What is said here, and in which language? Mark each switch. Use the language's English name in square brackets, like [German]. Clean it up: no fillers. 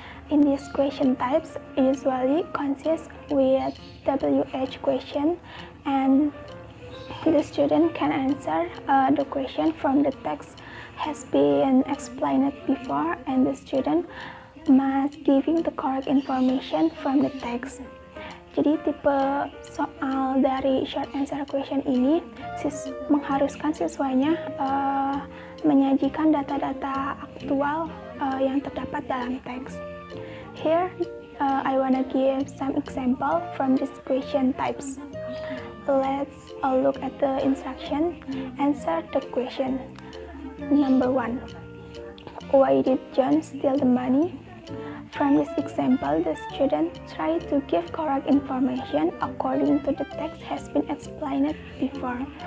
[English] In these question types, usually consists with WH question, and the student can answer the question from the text has been explained before, and the student must giving the correct information from the text. [Indonesian] Jadi tipe soal dari short answer question ini mengharuskan siswanya menyajikan data-data aktual yang terdapat dalam teks. [English] Here, I wanna give some example from these question types. Let's look at the instruction. Answer the question. Number one, why did John steal the money? From this example, the student tried to give correct information according to the text has been explained before.